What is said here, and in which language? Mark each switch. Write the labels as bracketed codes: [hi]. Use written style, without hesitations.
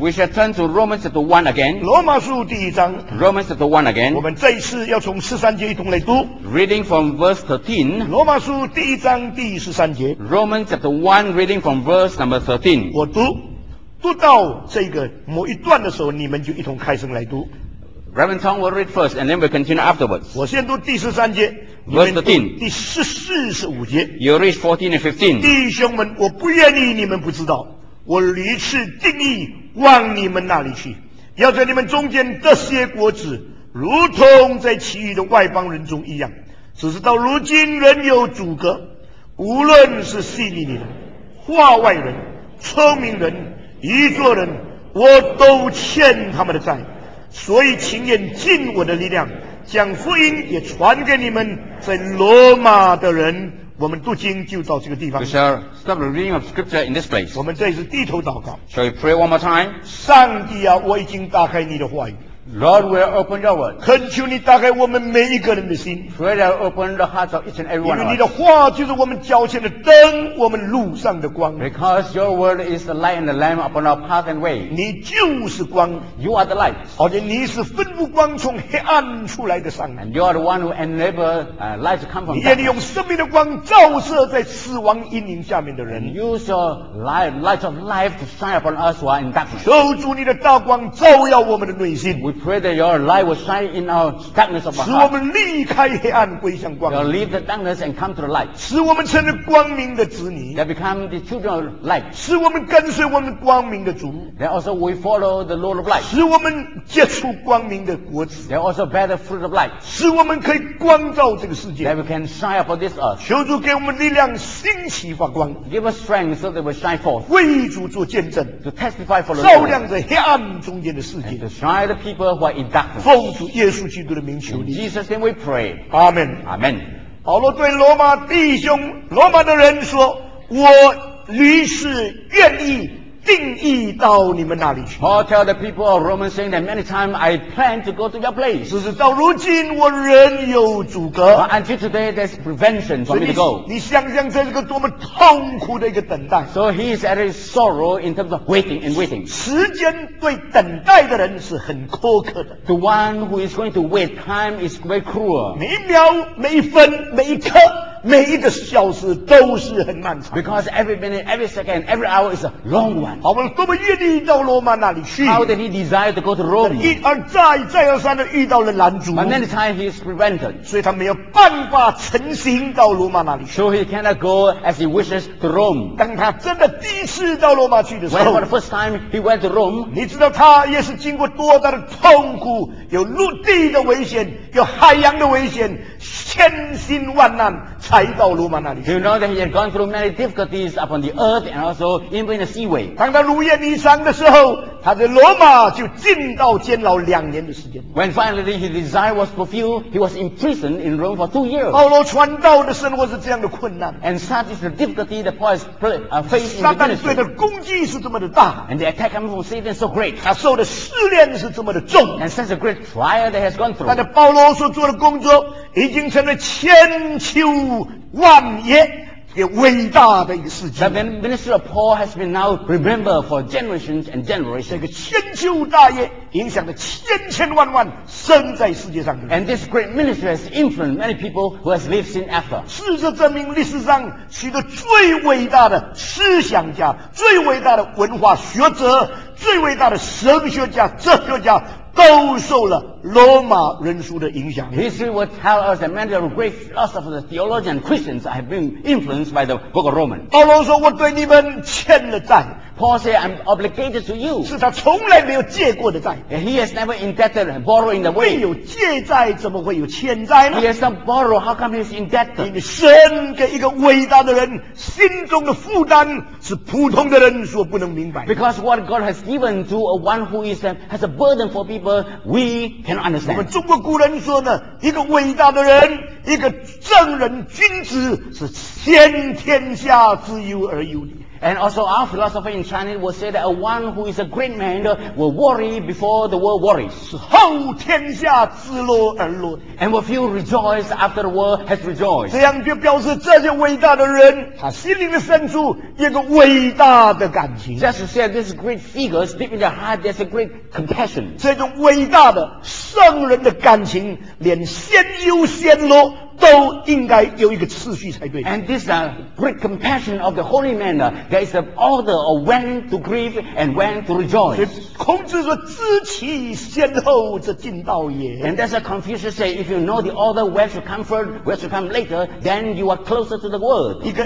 [en] We shall turn to Romans chapter one again. [zh] 罗马书第一章。 [en] Romans chapter one again. [zh] 我们这一次要从十三节一同来读。 [en] Reading from verse 13. [zh] 罗马书第一章第十三节。 [en] Romans chapter one, reading from verse number 13. [zh] 我读，读到这个某一段的时候，你们就一同开声来读。 [en] Reverend Tong will read first, and then we'll continue afterwards. [zh] 我先读第十三节。 [en] Verse 13. [zh] 第十四、十五节。 [en] You read 14 and 15. [zh] 弟兄们，我不愿意你们不知道。我屡次定义往你们那里去，要在你们中间得些果子，如同在其余的外邦人中一样。只是到如今仍有阻隔，无论是希利尼人、化外人、聪明人、愚拙人，我都欠他们的债。所以情愿尽我的力量，将福音也传给你们在罗马的人。我们读经就到这个地方。 [en] We shall stop the reading of scripture in this place. [zh] 我们这是低头祷告。 [en] Shall we pray one more time? [zh] 上帝啊，我已经打开你的话语。 [en] Lord, we have opened your word. [zh] 恳求你打开我们每一个人的心。 [en] Pray that you open the hearts of each and every one of us. [zh] 因为你的话就是我们脚前的灯，我们路上的光。 [en] Because your word is the light and the lamp upon our path and way. [zh] 你就是光。 [en] You are the light. [zh] 而且你是吩咐光从黑暗出来的上帝。 [en] And you are the one who enables light to come from darkness. [zh] 你愿意用生命的光照射在死亡阴影下面的人。 [en] And use your light of life to shine upon us who are in darkness. [zh] 求主你的大光照耀我们的内心。 [en] Pray that your light will shine in our darkness of our heart. [zh] 使我们离开黑暗归向光明。 [en] You'll leave the darkness and come to the light. [zh] 使我们成了光明的子女。 [en] That become the children of light. [zh] 使我们跟随我们光明的主。 [en] That also we follow the Lord of light. [zh] 使我们结出光明的果子。 [en] That also bear the fruit of light. [zh] 使我们可以光照这个世界。 [en] That we can shine upon this earth. [zh] 求主给我们力量，兴起发光。 [en] Give us strength so that we shine forth. [zh] 为主做见证。 [en] To testify for the [zh] Lord. 照亮着黑暗中间的世界。 [en] And to shine the people. [zh] 奉主耶稣基督的名求你。 [en] In Jesus name we pray. Amen. Amen. [zh] 保罗对罗马弟兄、罗马的人说：“我屡次愿意定义到你们那里去。” [en] Paul tell the people of Romans saying that many times I plan to go to your place. [zh] 只是到如今我仍有阻隔。 [en] But until today there's prevention for me to go. [zh] 你想想这是个多么痛苦的一个等待。 [en] So he is at his sorrow in terms of waiting and waiting. [zh] 时间对等待的人是很苛刻的。 [en] The one who is going to wait, time is very cruel. [zh] 每一秒、每一分、每一刻。每一个小时都是很漫长。 [en] Because every minute, every second, every hour is a long one. [zh] 保罗多么愿意到罗马那里去。 [en] How did he desire to go to Rome? [zh] 一而再，再而三的遇到了拦阻。 [en] But many times he is prevented. [zh] 所以他没有办法成行到罗马那里去。 [en] So he cannot go as he wishes to Rome. [zh] 当他真的第一次到罗马去的时候。 [en] When for the first time he went to Rome. [zh] 你知道他也是经过多大的痛苦，有陆地的危险，有海洋的危险，千辛万难。才到罗马那里去。 [en] You know that he had gone through many difficulties upon the earth and also even in the seaway. [zh] 当他如愿以偿的时候，他在罗马就进到监牢两年的时间。 [en] When finally his desire was fulfilled, he was imprisoned in Rome for 2 years. [zh] 保罗传道的生活是这样的困难。 [en] And such is the difficulty that Paul has faced in the ministry. [zh] 撒旦对他的攻击是这么的大。 [en] And the attack coming from Satan is so great. [zh] 他受的试炼是这么的重。 [en] And such a great trial that he has gone through. [zh] 但是保罗所做的工作已经成了千秋万耶，这个伟大的一个事情。 [en] The ministry of Paul has been now remembered for generations and generations. [zh] 这个千秋大业影响了千千万万生在世界上的人。 [en] And this great ministry has influenced many people who has lived since after. [zh] 事实证明，历史上许多最伟大的思想家、最伟大的文化学者、最伟大的神学家、哲学家。都受了罗马人书的影响。 [en] History will tell us that many of the great philosophers, theologians, Christians have been influenced by the Book of Romans. [zh] 保罗说：“我对你们欠了债。” [en] Paul said, "I'm obligated to you." [zh] 是他从来没有借过的债。 [en] He has never indebted, borrowing the way. [zh] 没有借债，怎么会有欠债呢 [en] ？He has not borrowed. How come he is indebted? [zh] 因为神给一个伟大的人心中的负担是普通的人所不能明白。 [en] Because what God has given to a one who is has a burden for people. We cannot understand. [zh] 我们中国古人说呢，一个伟大的人，一个正人君子，是先天下之忧而忧虑。 [en] And also our philosopher in Chinese will say that one who is a great man will worry before the world worries. [zh] 后天下自乐而乐, [en] and will feel rejoiced after the world has rejoiced. [zh] 这样就表示这些伟大的人, 他心里面深处有个伟大的感情。 [en] Just to say these great figures deep in their heart, there's a great compassion. [zh] 这种伟大的圣人的感情, 连先忧先乐, 都应该有一个次序才对。 [en] And this great compassion of the holy man, there is the order of when to grieve and when to rejoice. [zh] 孔子说知其先后则近道也。 [en] And that's what Confucius say, if you know the order where to come first, where to come later, then you are closer to the word.